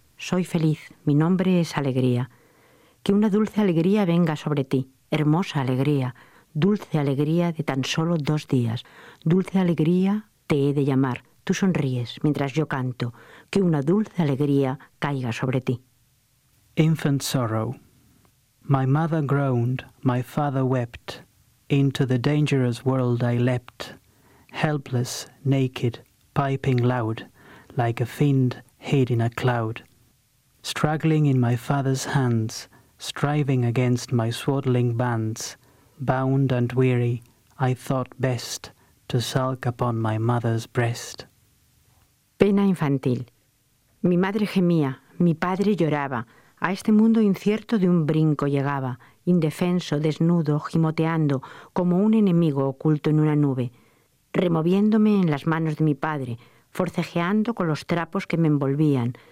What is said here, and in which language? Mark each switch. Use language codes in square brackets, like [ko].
[es] Soy feliz, mi nombre es alegría. Que una dulce alegría venga sobre ti, hermosa alegría, dulce alegría de tan solo 2 días. Dulce alegría te he de llamar, tú sonríes mientras yo canto. Que una dulce alegría caiga sobre ti. [en] Infant sorrow. My mother groaned, my father wept. Into the dangerous world I leapt. Helpless, naked, piping loud, like a fiend hid in a cloud. Struggling in my father's hands, striving against my swaddling bands. Bound and weary, I thought best to sulk upon my mother's breast. [es] Pena infantil. Mi madre gemía, mi padre lloraba. A este mundo incierto de un brinco llegaba, indefenso, desnudo, gimoteando, como un enemigo oculto en una nube, removiéndome en las manos de mi padre, forcejeando con los trapos que me envolvían.